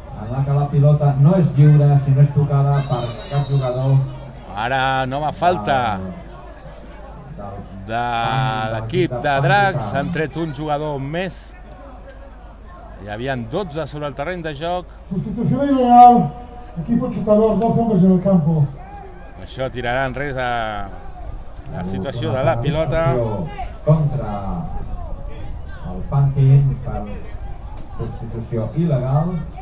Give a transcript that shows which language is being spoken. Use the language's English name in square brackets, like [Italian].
[Catalan] En la que la pilota no és lliure si no és tocada per cap jugador. Ara nova falta de l'equip de Drags. Han tret un jugador més. Hi havia 12 sobre el terreny de joc. Substitució il·legal. [Spanish] Equipo chutador, dos hombres en el campo. [Catalan] Això tirarà enrere a la situació de la pilota. Contra el punting per substitució il·legal.